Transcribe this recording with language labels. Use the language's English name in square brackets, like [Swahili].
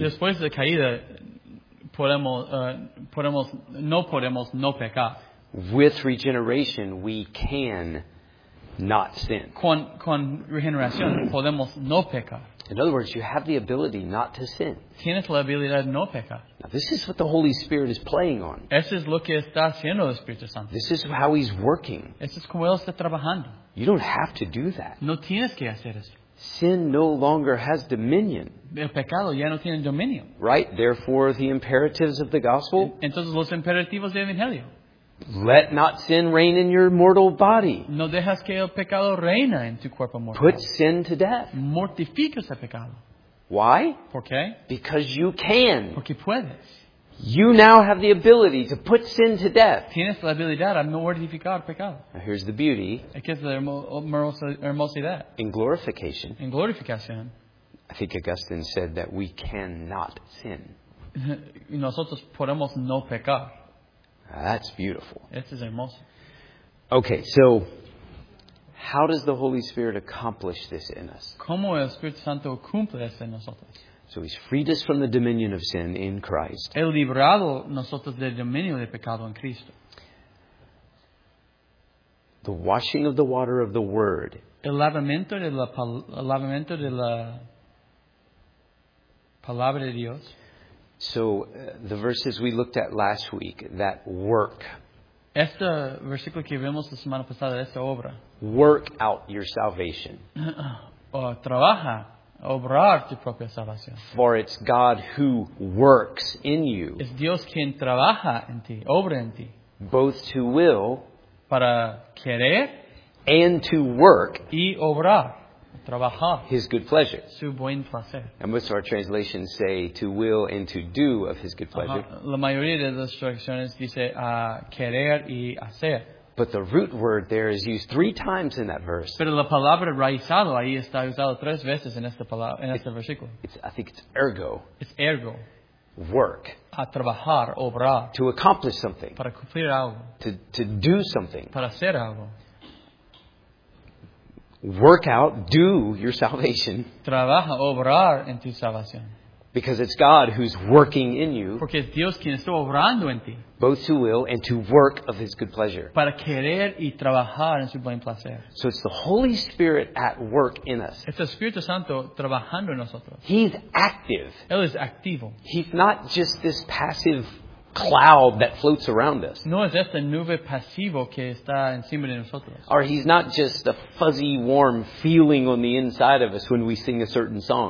[Spanish] Después de la caída, podemos no pecar. [English] With regeneration, we can not sin. [Spanish] Con regeneración, podemos no pecar. [English] In other words, you have the ability not to sin. [Spanish] Tienes la habilidad no pecar. [English] Now, this is what the Holy Spirit is playing on. [Spanish] Eso es lo que está haciendo el Espíritu Santo. [English] This is how He's working. [Spanish] Eso es como él está trabajando. [English] You don't have to do that. [Spanish] No tienes que hacer eso. [English] Sin no longer has dominion. [Spanish] El pecado ya no tiene dominio. [English] Right? Therefore, the imperatives of the gospel. [Spanish] Entonces, los imperativos del Evangelio. [English] Let not sin reign in your mortal body. [Spanish] No dejas que el pecado reina en tu cuerpo mortal. [English] Put sin to death. [Spanish] Mortifica ese pecado. [English] Why? [Spanish] ¿Por qué? [English] Because you can. [Spanish] Porque puedes. [English] You now have the ability to put sin to death. [Spanish] Tienes la habilidad a mortificar el pecado. [English] Now here's the beauty. [Spanish] Aquí es la hermosidad. [English] In glorification. [Spanish] En glorificación. [English] I think Augustine said that we cannot sin. [Spanish] Nosotros podemos no pecar. [English] That's beautiful. [Spanish] Este es hermoso. [English] Okay, so how does the Holy Spirit accomplish this in us? [Spanish] ¿Cómo el Espíritu Santo cumple esto en nosotros? [English] So He's freed us from the dominion of sin in Christ. [Spanish] Él librado nosotros del dominio del pecado en Cristo. [English] The washing of the water of the Word. [Spanish] El lavamiento de la palabra de Dios. [English] So the verses we looked at last week, that work. [Spanish] Este versículo que vimos la semana pasada, esta obra. [English] Work out your salvation. [Spanish] Trabaja, obrar tu propia salvación. [English] For it's God who works in you. [Spanish] Es Dios quien trabaja en ti, obra en ti. [English] Both to will. [Spanish] Para querer. [English] And to work. [Spanish] Y obrar. Trabajar. [English] His good pleasure. [Spanish] Su buen placer. [English] And most of our translations say to will and to do of His good pleasure. [Spanish] La mayoría de las traducciones dice querer y hacer. [English] But the root word there is used three times in that verse. [Spanish] Pero la palabra raizado ahí está usada tres veces en esta palabra, en este versículo. [English] I think it's ergo. It's ergo. Work. [Spanish] A trabajar, obrar. [English] To accomplish something. [Spanish] Para cumplir algo. [English] To do something. [Spanish] Para hacer algo. [English] Work out, do your salvation. [Spanish] Trabaja, obrar en tu salvación. [English] Because it's God who's working in you. [Spanish] Porque es Dios quien está obrando en ti. [English] Both to will and to work of His good pleasure. [Spanish] Para querer y trabajar en su buen placer. [English] So it's the Holy Spirit at work in us. [Spanish] Es el Espíritu Santo trabajando en nosotros. [English] He's active. [Spanish] Él es activo. [English] He's not just this passive cloud that floats around us. [Spanish] No es esta nube pasivo que está encima de nosotros. [English] Or He's not just a fuzzy, warm feeling on the inside of us when we sing a certain song.